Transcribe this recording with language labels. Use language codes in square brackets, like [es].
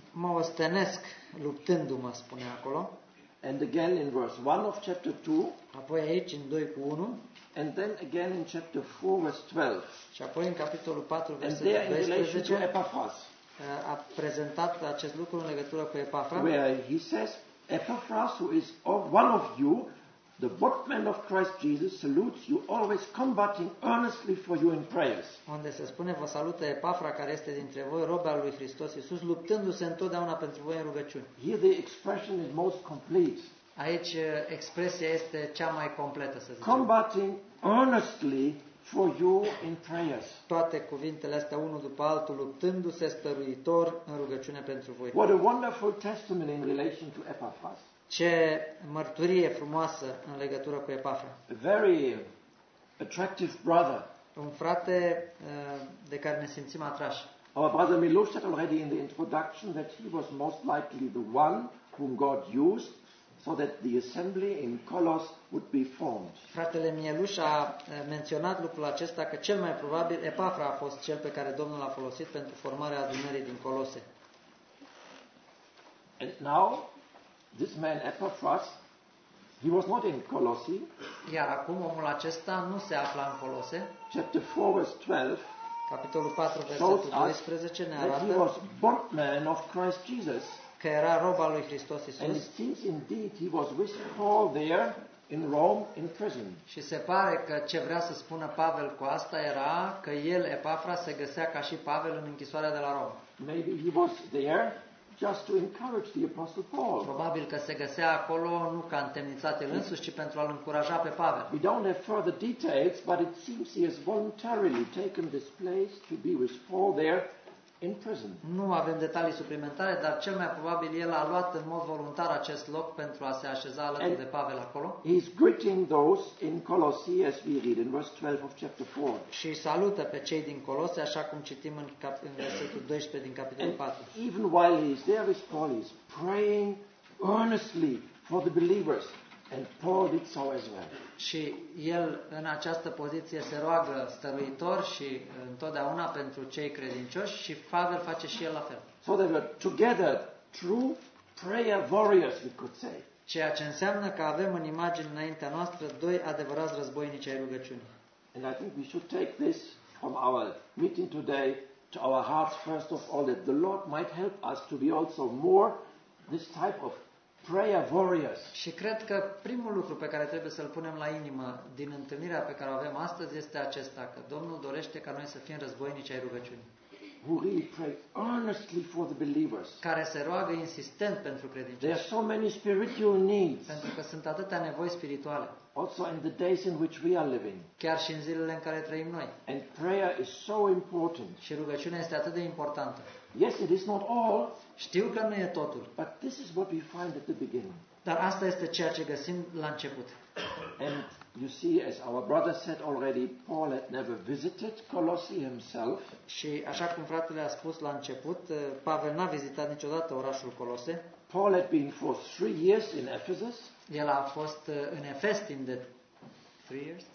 [ro] Mă ostenesc luptându-mă, spune acolo. [en] And again in verse 1 of chapter 2. [ro] Apoi aici în 2 cu 1. [en] And then again in chapter 4 verse 12. [ro] Și apoi în capitolul 4 versetul 12. [en] And there in relation to Epaphras. [ro] A prezentat acest lucru în legătură cu Epafra. [en] Where he says, Epaphras, who is of one of you, the workman of Christ Jesus, salutes you, always combating earnestly for you in prayers. [ro] Unde se spune, vă salută Epafra, care este dintre voi, rob al lui Hristos Iisus, luptându-se întotdeauna pentru voi în rugăciuni. [en] Here the expression is most complete. [ro] Aici expresia este cea mai completă, să zicem. [en] Combating earnestly for you in prayers. [ro] Toate cuvintele astea unul după altul luptându-se stăruitor în rugăciune pentru voi. [en] What a wonderful testimony in relation to Epaphras. [ro] Ce mărturie frumoasă în legătură cu Epafra. [en] A very attractive brother. [ro] Un frate de care ne simțim atrași. [en] Our brother Miloš said already in the introduction that he was most likely the one whom God used so that the assembly in Colos would be formed. [ro] Fratele Mieluș a menționat lucrul acesta că cel mai probabil Epafra a fost cel pe care Domnul l-a folosit pentru formarea adunării din Colose. [en] And now this man Epaphras, he was not in Colossae. [ro] Iar acum omul acesta nu se afla în Colose. [en] Chapter 4 verse 12. [ro] Capitolul 4 versetul 12 ne arată [en] that he was workman of Christ Jesus. [ro] Că era rob al lui Hristos Iisus. [en] And it seems indeed he was with Paul there in Rome in prison. [ro] Și se pare că ce vrea să spună Pavel cu asta era că el, Epafra, se găsea ca și Pavel în închisoarea de la Roma. [en] Maybe he was there just to encourage the apostle Paul. [ro] Probabil că se găsea acolo nu ca întemnițat el însuși, ci pentru a-l încuraja pe Pavel. [en] We don't have further details, but it seems he has voluntarily taken this place to be with Paul there. [ro] Nu avem detalii suplimentare, dar cel mai probabil el a luat în mod voluntar acest loc pentru a se așeza alături [en] and [ro] de Pavel acolo. [en] He is greeting those in Colossae as we read in verse 12 of chapter 4. [ro] Și salută pe cei din Colose, așa cum citim în versetul 12 din capitolul [en] and [ro] 4. [en] Even while he is there with Paul, he is praying earnestly for the believers. And Paul did so as well. [ro] Și el în această poziție se roagă stăruitor și întotdeauna pentru cei credincioși și Pavel face și el la fel. [en] So they were together true prayer warriors, we could say. [ro] Ceea ce înseamnă că avem în imagine înaintea noastră doi adevărați războinici ai rugăciunii. [en] And I think we should take this from our meeting today to our hearts first of all that the Lord might help us to be also more this type of prayer warriors. [ro] Și cred că primul lucru pe care trebuie să-l punem la inimă din întâlnirea pe care o avem astăzi este acesta, că Domnul dorește ca noi să fim războinici ai rugăciunii. [en] Who really pray earnestly for the believers. [ro] Care se roagă insistent pentru credincioși. [en] There are so many spiritual needs. [ro] Pentru că sunt atâtea nevoi spirituale. [en] Also in the days in which we are living. [ro] Chiar și în zilele în care trăim noi. [en] And prayer is so important. [ro] Și rugăciunea este atât de importantă. [en] Yes, it is not all. [ro] Știu că nu e totul. [en] But this is what we find at the beginning. [ro] Dar asta este ceea ce găsim la început. [en] And you see, as our brother said already, Paul had never visited Colossae himself. [ro] Și așa cum fratele a spus la început, Pavel n-a vizitat niciodată orașul Colose. [en] Paul had been for 3 years in Ephesus. [ro] El a fost în Efes timp de 3 [en] years.